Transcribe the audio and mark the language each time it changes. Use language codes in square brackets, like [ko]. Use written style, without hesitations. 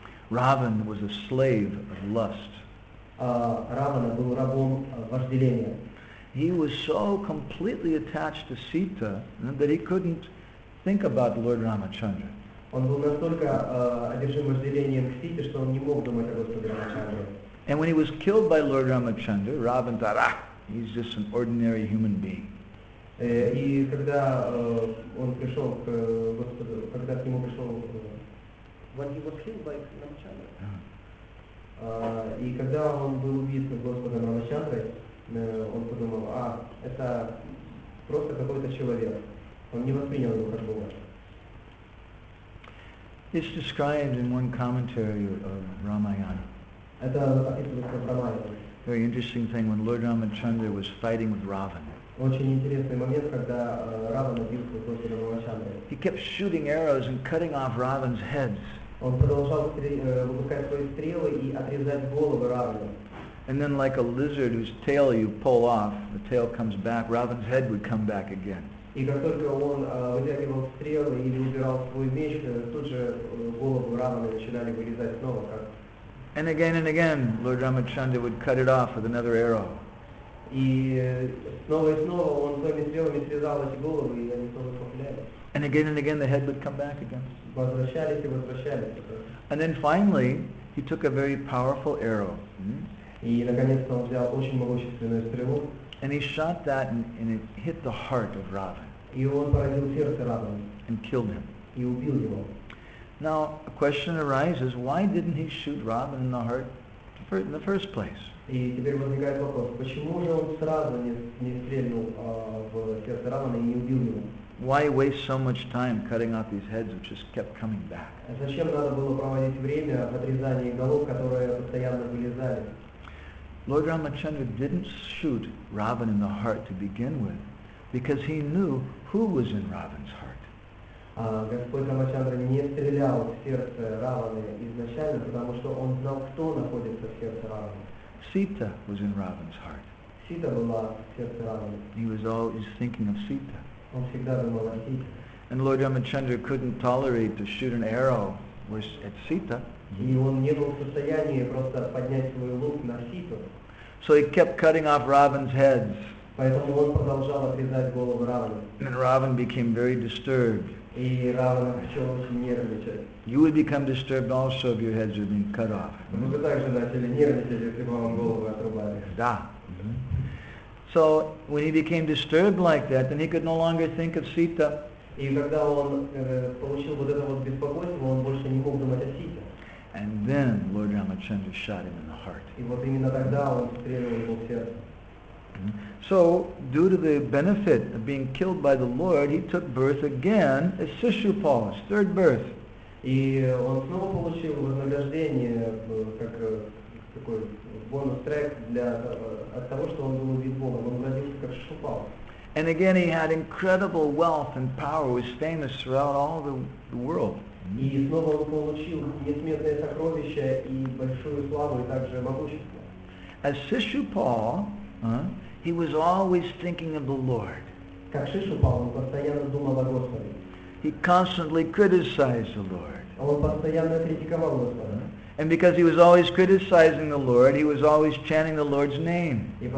[en] Ravan was a slave of lust. [ru] Ravana был рабом вожделения. [en] He was so completely attached to Sita that he couldn't think about Lord Ramachandra. [ru] Он был настолько одержим вожделением к Сите, что он не мог думать о Господе Рамачандре. [en] And when he was killed by Lord Ramachandra, Ravan thought, ah, he's just an ordinary human being. [ru] И когда он пришел к Господу, когда к нему пришел [en] when he was killed by Ramachandra. [ru] И когда он был убит Господом Рамачандрой, он подумал, а, это просто какой-то человек. Он не воспринял его как Бога. [en] It's described in one commentary of Ramayana. [ru] Это описывается в Рамаяне. [en] Very interesting thing when Lord Ramachandra was fighting with Ravan. [ru] Очень интересный момент, когда Равана бился с Господом Рамачандрой. [en] He kept shooting arrows and cutting off Ravan's heads. [ru] Он продолжал выпускать свои стрелы и отрезать голову Равана. [en] And then like a lizard whose tail you pull off, the tail comes back, Ravan's head would come back again. [ru] И как только он вытягивал стрелы или убирал свой меч, тут же голову Равана начинали вырезать снова. [en] And again, Lord Ramachandra would cut it off with another arrow. [ru] И снова и снова он своими стрелами срезал эти головы, и они снова повторялись. [en] And again, the head would come back again. [ru] Возвращались и возвращались. [en] And then finally, he took a very powerful arrow. [ru] И наконец-то он взял очень могущественную стрелу. [en] And he shot that, and it hit the heart of Ravan. [ru] И он поразил сердце Равана. [en] And killed him. [ru] И убил его. [en] Now, a question arises, why didn't he shoot Ravan in the heart in the first place? [ru] И теперь возникает вопрос, почему же он сразу не стрельнул в сердце Равана и не убил его? [en] Why waste so much time cutting off these heads which just kept coming back? [ru] Зачем надо было проводить время в отрезании голов, которые постоянно вылезали? [en] Lord Ramachandra didn't shoot Ravan in the heart to begin with because he knew who was in Ravan's heart. [ru] Господь Рамачандра не стрелял в сердце Равана изначально, потому что он знал, кто находится в сердце Равана. [en] Sita was in Ravan's heart. [ru] Сита была в сердце Равана. [en] He was always thinking of Sita. [ru] Он всегда думал о Сите. [en] And Lord Ramachandra couldn't tolerate to shoot an arrow at Sita. [ru] И он не был в состоянии просто поднять свой лук на Ситу. [en] So he kept cutting off Ravan's heads. [ru] Поэтому он продолжал отрезать голову Равана. [en] And Ravan became very disturbed. [ru] И Равана начал очень нервничать. [en] You would become disturbed also if your heads were being cut off. [ru] Вы бы также начали нервничать, если бы вам голову отрубали. Да. [en] So when he became disturbed like that, then he could no longer think of Sita. [ru] И когда он получил вот это вот беспокойство, он больше не мог думать о Сите. [en] And then Lord Ramachandra shot him in the heart. [ru] И вот именно тогда он стрелял его в сердце. [en] So, due to the benefit of being killed by the Lord, he took birth again as Shishupala, his third birth. [ru] И он снова получил вознаграждение как такой бонус-трек для от того, что он был убит Богом. Он родился как Шишупала. [en] And again, he had incredible wealth and power, was famous throughout all the world. [ru] И снова он получил несметное сокровище и большую славу и также могущество. [en] As Shishupala, he was always thinking of the Lord. [ru] Как Шишупал, он постоянно думал о Господе. [en] He constantly criticized the Lord. [ru] Он постоянно критиковал Господа. [en] And because he was always criticizing the Lord, he was always chanting the Lord's name.